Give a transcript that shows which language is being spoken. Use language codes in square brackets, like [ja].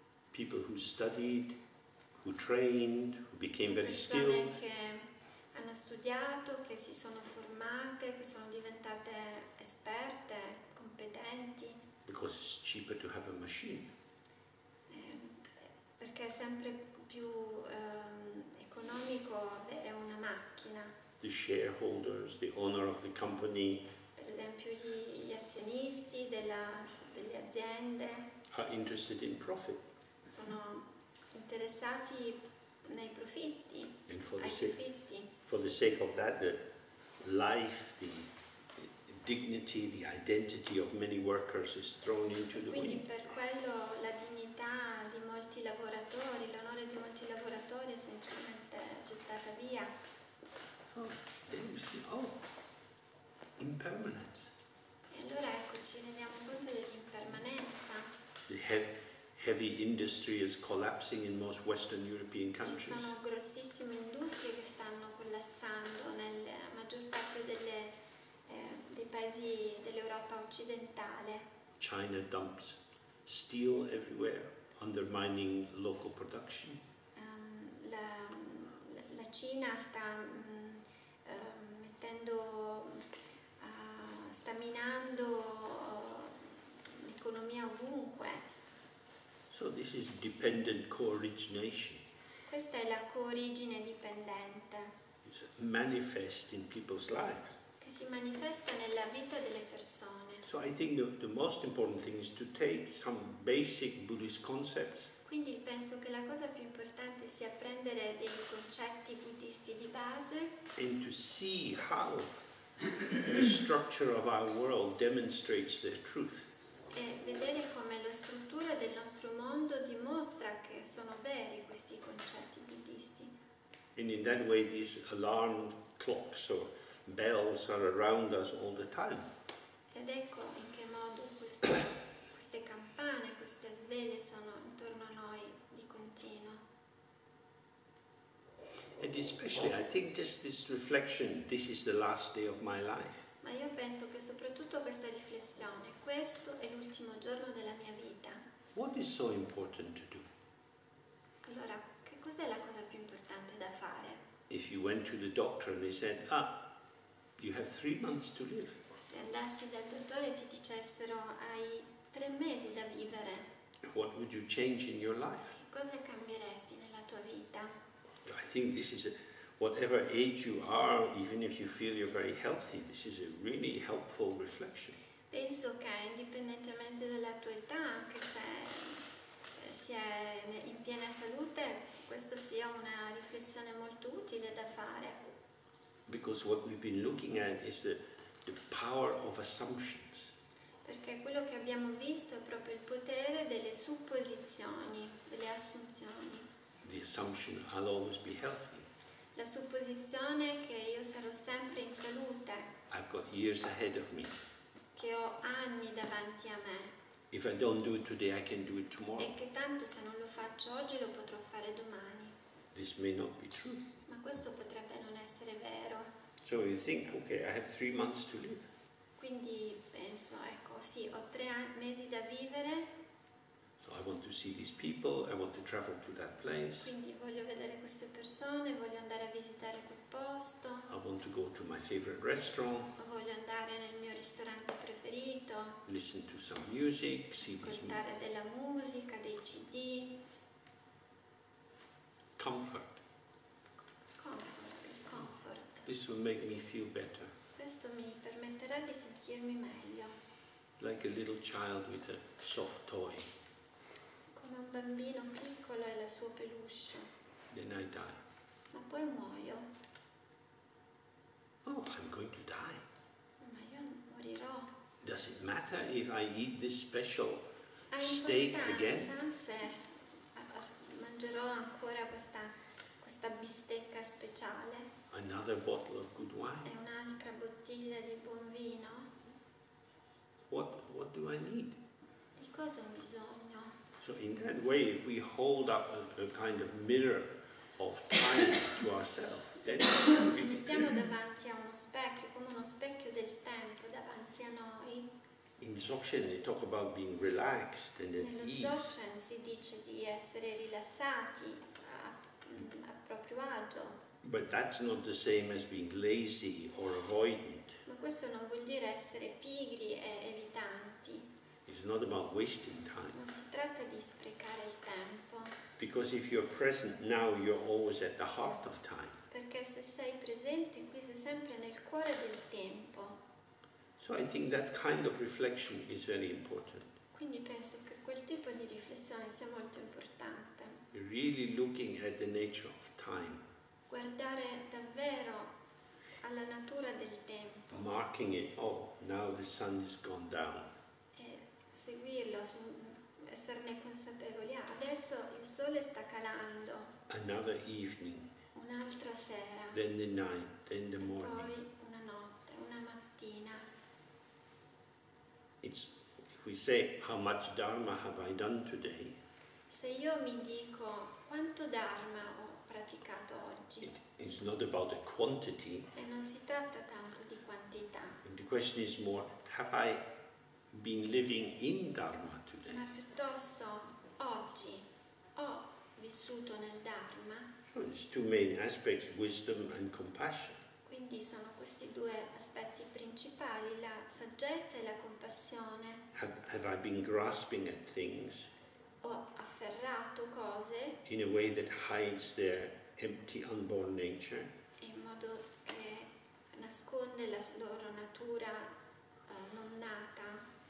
[en] People who studied, who trained, who became very skilled. [it] Persone che hanno studiato, che si sono formate, che sono diventate esperte, competenti. [en] Because it's cheaper to have a machine. [it] Perché è sempre più economico avere una macchina. [en] The shareholders, the owner of the company, [it] per esempio gli azionisti delle aziende, [en] are interested in profit. [it] Sono interessati nei profitti. [en] And for the sake of that, the life, the dignity, the identity of many workers is thrown into the wind. [it] Quindi per quello la dignità di molti lavoratori, l'onore di molti lavoratori è semplicemente gettata via. [en] Oh, then you see, oh, impermanence. [it] E allora ecco, ci rendiamo conto dell'impermanenza. [en] The heavy industry is collapsing in most Western European countries. [it] Ci sono grossissime industrie che stanno collassando nella maggior parte dei paesi dell'Europa occidentale. [en] China dumps steel everywhere, undermining local production. [it] La Cina sta minando l'economia ovunque. [en] So this is dependent co-origination. [it] Questa è la coorigine dipendente. [en] It's manifest in people's lives. [it] Che si manifesta nella vita delle persone. [en] So I think the most important thing is to take some basic Buddhist concepts. [it] Quindi penso che la cosa più importante sia prendere dei concetti buddhisti di base. [en] And to see how the structure of our world demonstrates their truth. [it] E vedere come la struttura del nostro mondo dimostra che sono veri questi concetti buddhisti. [en] And in that way these alarm clocks or bells are around us all the time. [it] Ed ecco in che modo queste campane, queste svele sono intorno a noi di continuo. [en] And especially, I think this reflection, this is the last day of my life. [it] Ma io penso che soprattutto questa riflessione, questo è l'ultimo giorno della mia vita. [en] What is so important to do? [it] Allora, che cos'è la cosa più importante da fare? [en] If you went to the doctor and they said, ah, you have 3 months to live. [it] Se andassi dal dottore e ti dicessero, hai tre mesi da vivere. [en] What would you change in your life? [it] Che cosa cambieresti nella tua vita? [en] I think this is a, whatever age you are, even if you feel you're very healthy, this is a really helpful reflection. [it] Penso che indipendentemente dalla tua età, anche se si è in piena salute, questo sia una riflessione molto utile da fare. [en] Because what we've been looking at is the power of assumptions. [it] Perché quello che abbiamo visto è proprio il potere delle supposizioni, delle assunzioni. [en] The assumption I'll always be healthy. [it] La supposizione che io sarò sempre in salute. [en] I've got years ahead of me. [it] Che ho anni davanti a me. [en] If I don't do it today, I can do it tomorrow. [it] E che tanto se non lo faccio oggi lo potrò fare domani. [en] This may not be true. [it] Ma questo potrebbe non essere vero. [en] So you think, okay, I have 3 months to live. [it] Quindi penso, ecco, sì, ho 3 mesi da vivere. [en] So I want to see these people, I want to travel to that place. [it] Quindi voglio vedere queste persone, voglio andare a visitare quel posto. [en] I want to go to my favorite restaurant. [it] Voglio andare nel mio ristorante preferito. [en] Listen to some music, see this. [it] Ascoltare della musica, dei CD. [en] Comfort. [it] Comfort. [en] This will make me feel better. [it] Questo mi permetterà di sentirmi meglio. [en] Like a little child with a soft toy. [it] Come un bambino piccolo e la sua peluche. [en] Then I die. [it] Ma poi muoio. [en] Oh, I'm going to die. [it] Ma io morirò. [en] Does it matter if I eat this special steak again? [it] Se mangerò ancora questa bistecca speciale. [en] Another bottle of good wine. [it] E un'altra bottiglia di buon vino. [en] What do I need? [it] Di cosa ho bisogno? [en] So in that way, if we hold up a kind of mirror of time to ourselves, then [it] mettiamo davanti a uno specchio, come uno specchio del tempo davanti a noi. [en] In Dzogchen they talk about being relaxed and at ease. [it] Nello Dzogchen si dice di essere rilassati, a proprio agio. [en] But that's not the same as being lazy or avoidant. [it] Ma questo non vuol dire essere pigri e evitanti. [en] It's not about wasting time. [it] Non si tratta di sprecare il tempo. [en] Because if you're present now, you're always at the heart of time. [it] Perché se sei presente, qui sei sempre nel cuore del tempo. [en] So I think that kind of reflection is very important. [it] Quindi penso che quel tipo di riflessione sia molto importante. [en] Really looking at the nature of time. [it] Guardare davvero alla natura del tempo. [en] Marking it, oh, now the sun has gone down. [it] Seguirlo, esserne consapevoli. Ah, adesso il sole sta calando. [en] Another evening. [it] Un'altra sera. [en] Then the night, then the morning. [it] Poi una notte, una mattina. [en] It's, if we say, how much dharma have I done today? [it] Se io mi dico, quanto dharma ho praticato oggi? [en] It's not about the quantity. [it] E non si tratta tanto di quantità. [en] And the question is more, have I been living in dharma today? [it] Ma piuttosto oggi ho vissuto nel dharma. [en] So it's two main aspects, wisdom and compassion. [it] Quindi sono questi due aspetti principali, la saggezza e la compassione. [en] Have I been grasping at things? [it] Ho afferrato cose [en] in a way that hides their empty unborn nature. [it] In modo che nasconde la loro natura non nata.